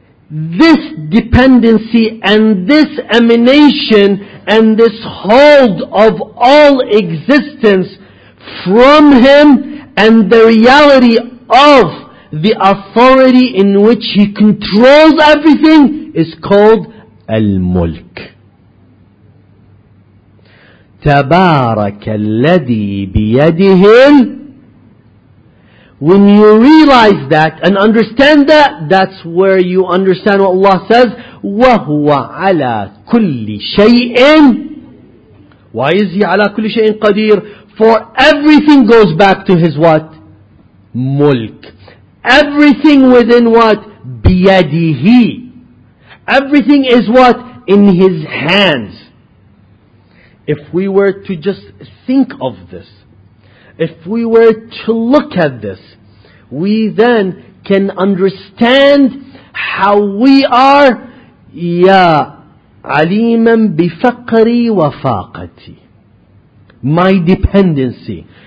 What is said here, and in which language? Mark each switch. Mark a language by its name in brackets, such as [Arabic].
[English] This dependency and this emanation and this hold of all existence from Him and the reality of the authority in which He controls everything is called Al-Mulk. [Arabic] تبارك الذي بيده. [English] When you realize that and understand that, that's where you understand what Allah says. [Arabic] وَهُوَ عَلَى كُلِّ شَيْءٍ. [English] Why is He [Arabic] عَلَى كُلِّ شَيْءٍ قَدِيرٍ? [English] For everything goes back to His what? Mulk. Everything within what? [Arabic] بِيَدِهِ. [English] Everything is what? In His hands. If we were to just think of this, if we were to look at this, we then can understand how we are [Arabic] ya aliman bi faqri wa faqati, [English] my dependency.